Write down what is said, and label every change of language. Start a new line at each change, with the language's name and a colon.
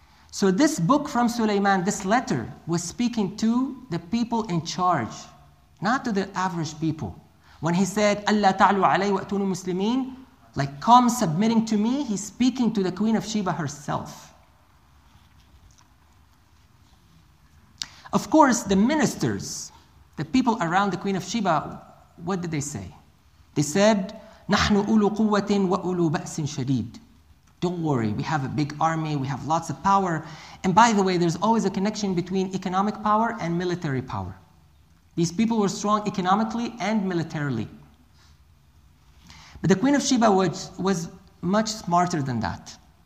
English: So this book from Sulaiman, this letter, was speaking to the people in charge, not to the average people. When he said,
Arabic: أَلَّا تَعْلُوا عَلَيْهِ وَأْتُونُوا مُسْلِمِينَ,
English: Like, come submitting to me. He's speaking to the Queen of Sheba herself. Of course, the ministers, the people around the Queen of Sheba, what did they say? They said,
Arabic: نَحْنُ أُولُو قُوَّةٍ وَأُولُو بَأْسٍ شَدِيدٍ.
English: Don't worry, we have a big army, we have lots of power. And by the way, there's always a connection between economic power and military power. These people were strong economically and militarily. But the Queen of Sheba was much smarter than that.